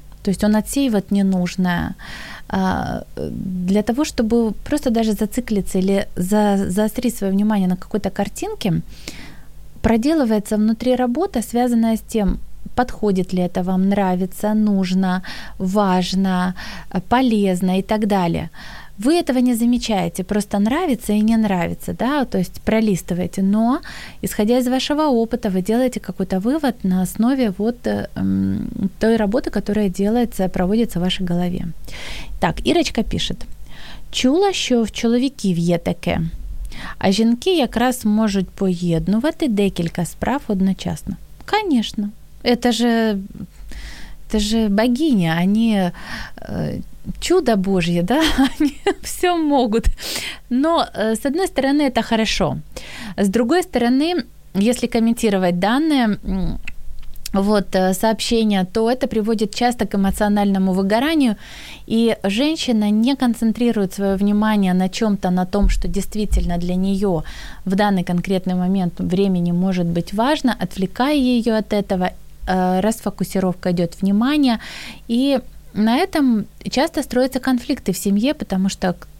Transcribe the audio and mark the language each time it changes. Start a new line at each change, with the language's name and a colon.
Russian: То есть он отсеивает ненужное для того, чтобы просто даже зациклиться или заострить свое внимание на какой-то картинке, проделывается внутри работа, связанная с тем, подходит ли это вам, нравится, нужно, важно, полезно и так далее. вы этого не замечаете, просто нравится и не нравится, да, то есть пролистываете, но, исходя из вашего опыта, вы делаете какой-то вывод на основе вот той работы, которая делается, проводится в вашей голове. Так, Ирочка пишет.
Ukrainian: Чула, що в чоловіків є таке, а жінки якраз можуть поєднувати декілька справ одночасно.
Russian: Конечно, это же богиня, они чудо Божье, да, они все могут. Но с одной стороны, это хорошо. С другой стороны, если комментировать данные, вот сообщения, то это приводит часто к эмоциональному выгоранию, и женщина не концентрирует свое внимание на чем-то, на том, что действительно для нее в данный конкретный момент времени может быть важно, отвлекая ее от этого, расфокусировка идет внимания, и на этом часто строятся конфликты в семье, потому что